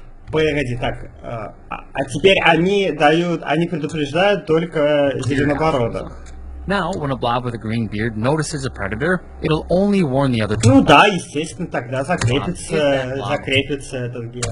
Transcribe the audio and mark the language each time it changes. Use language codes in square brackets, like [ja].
[ru] Погоди, так, а теперь они предупреждают только зеленобородых. [en] Now, when a blob with a green beard notices a predator, it'll only warn the other... [ru] Ну да, естественно, тогда закрепится этот ген.